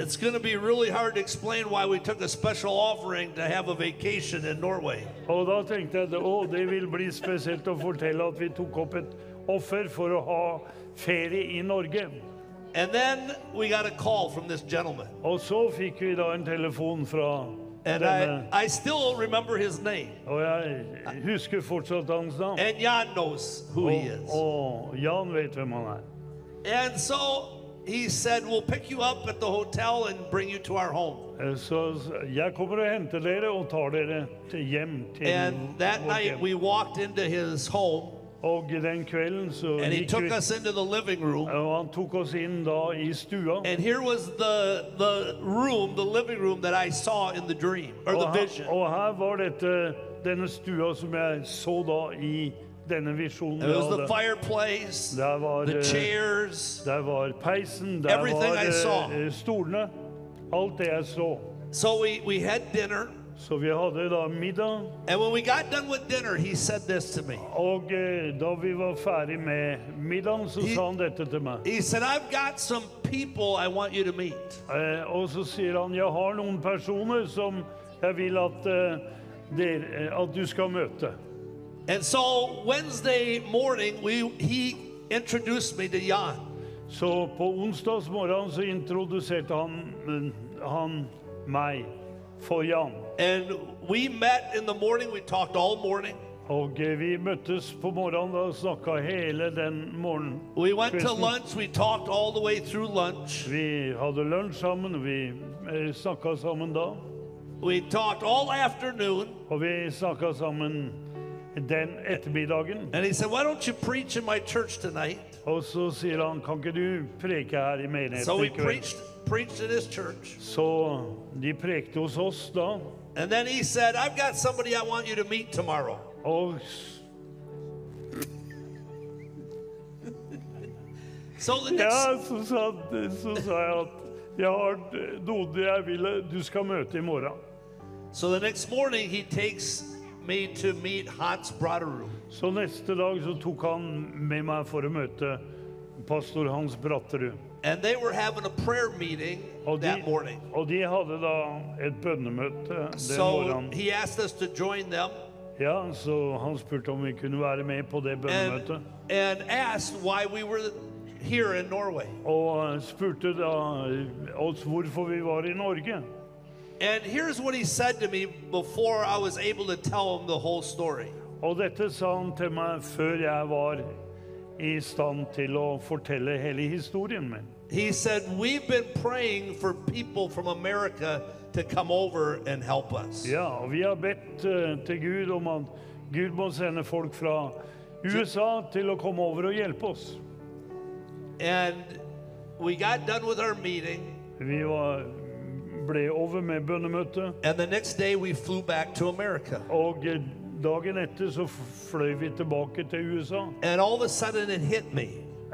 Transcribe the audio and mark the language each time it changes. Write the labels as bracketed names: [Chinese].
[English] it's going to be really hard to explain why we took a special offering to have a vacation in Norway. [Norwegian] Og da tenkte jeg, det vil bli spesielt å fortelle at vi tok opp et offer for å ha ferie I Norge. [English] And then we got a call from this gentleman. [Norwegian] Og så fikk vi da en telefon fra [English] And I still remember his name. [Norwegian] Og jeg husker fortsatt hans navn. [English] And Jan knows who he is. [Norwegian] Og Jan vet hvem han [English] And so he said, we'll pick you up at the hotel and bring you to our home. [Norwegian] Så jeg kommer og henter dere og tar dere til hjem til [English] And that night we walked into his home. [Norwegian] Og den kvelden så [English] And he took us into the living room. [Norwegian] Og han tok oss inn da I stua. [English] And here was the room, the living room that I saw in the dream or the vision. [Norwegian] Og her var dette denne stua som jeg så da I denne visjonen. [English] It was the fireplace. [Norwegian] Der var [English] the chairs. [Norwegian] Der var peisen, der [English] everything [Norwegian] var [English] I saw. [Norwegian] Stolene. Alt det jeg så. [English] So we had dinner. [Norwegian] Så vi hadde da middag. [English] And when we got done with dinner, he said this to me. [Norwegian] Og da vi var ferdig med middagen, så sa han dette til meg. [English] He said, I've got some people I want you to meet. [Norwegian] Og så sier han, jeg har noen personer som jeg vil at, at du skal møte. [English] And so Wednesday morning, he introduced me to Jan. [Norwegian] Så på onsdags morgen så introduserte han meg for Jan. [English] And we met in the morning. We talked all morning. [Norwegian] Og vi møttes på morgenen og snakket hele den morgenen. [English] We went to lunch. We talked all the way through lunch. [Norwegian] Vi hadde lunch sammen. Vi snakket sammen da. [English] We talked all afternoon. [Norwegian] Og vi snakket sammen den ettermiddagen. [English] And he said, why don't you preach in my church tonight? [Norwegian] Og så sier han, kan ikke du preke her I menigheten? [English] So we preached in his church. [Norwegian] Så de prekte hos oss da. [English] And then he said, I've got somebody I want you to meet tomorrow. So the next... [Norwegian] Ja, så sa jeg at jeg har noe jeg ville, du skal møte I morgen. [English] So the next morning he takes me to meet Hans Brattrud. [Norwegian] Så neste dag så tok han med meg for å møte pastor Hans Brattrud. [English] And they were having a prayer meeting that morning. [Norwegian] Og de hadde da et bønnemøte den morgenen. [English] So he asked us to join them. [Norwegian] Ja, så han spurte om vi kunne være med på det bønnemøtet. [English] And asked why we were here in Norway. [Norwegian] Og spurte da oss hvorfor vi var I Norge. [English] And here's what he said to me before I was able to tell him the whole story. [Norwegian] Og dette sa han til meg før jeg var I stand til å fortelle hele historien min. [English] He said, we've been praying for people from America to come over and help us. [Norwegian] Ja, og vi har bedt til Gud om at Gud må sende folk fra USA til å komme over og hjelpe oss. [English] And we got done with our meeting. [Norwegian] Vi var ble over med bønnemøtet. [English] And the next day we flew back to America. [Norwegian] Og dagen etter så fløy vi tilbake til USA. [English] And all of a sudden it hit me.